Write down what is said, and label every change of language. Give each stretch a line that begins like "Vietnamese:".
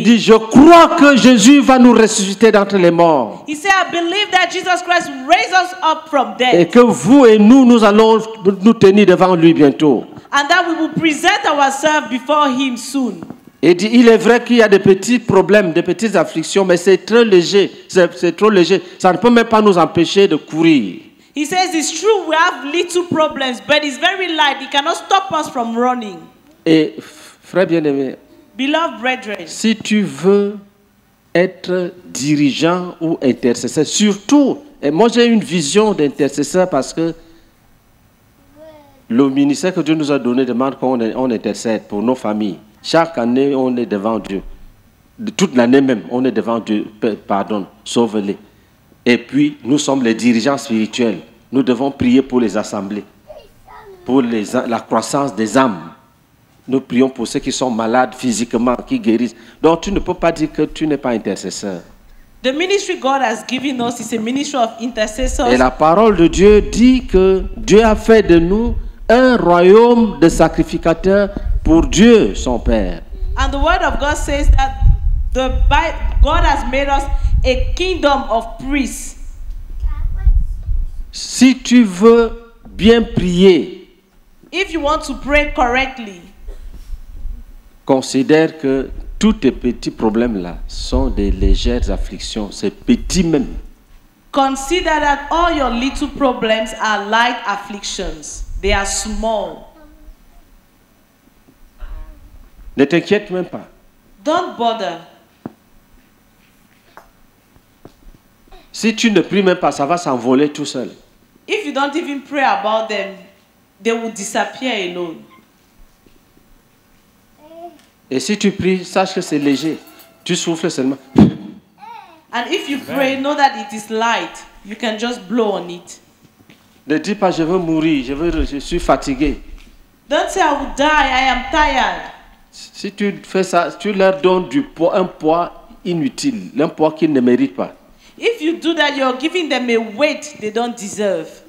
French: Il dit je crois que Jésus va nous ressusciter d'entre les morts.
English: He said I believe that Jesus Christ raised us up from death.
French: Et que vous et nous allons nous tenir devant lui bientôt.
English: And that we will present ourselves before him soon.
French: Et dit, il est vrai qu'il y a des petits problèmes, des petites afflictions, mais c'est très léger. C'est trop léger. Ça ne peut même pas nous empêcher de courir.
English: He says it's true, we have little problems, but it's very light. It cannot stop us from running.
French: Et frère bien-aimé,
English: beloved brethren,
French: si tu veux être dirigeant ou intercesseur, surtout, et moi j'ai une vision d'intercesseur parce que le ministère que Dieu nous a donné demande qu'on intercède pour nos familles. Chaque année, on est devant Dieu. Toute l'année même, on est devant Dieu. Pardon, sauve-les. Et puis, nous sommes les dirigeants spirituels. Nous devons prier pour les assemblées, pour la croissance des âmes. Nous prions pour ceux qui sont malades physiquement, qui guérissent. Donc, tu ne peux pas dire que tu n'es pas intercesseur.
English: The ministry God has given us is a ministry of intercessors.
French: Et la parole de Dieu dit que Dieu a fait de nous un royaume de sacrificateurs pour Dieu, son Père.
English: And the word of God says that God has made us a kingdom of priests.
French: Si tu veux bien prier,
English: if you want to pray correctly,
French: considère que tous tes petits problèmes là sont des légères afflictions, c'est petit même.
English: Consider that all your little problems are light afflictions. They are small.
French: Ne t'inquiète même pas.
English: Don't bother.
French: Si tu ne pries même pas, ça va s'envoler tout seul.
English: If you don't even pray about them, they will disappear alone.
French: Et si tu pries, sache que c'est léger. Tu souffles seulement.
English: And if you pray, know that it is light. You can just blow on it.
French: Ne dis pas, je veux mourir, je suis fatigué.
English: Don't say, I will die, I am tired.
French: Si tu fais ça, tu leur donnes du poids, un poids inutile, un poids qu'ils ne méritent pas.
English: If you do that, you're giving them a weight they don't deserve.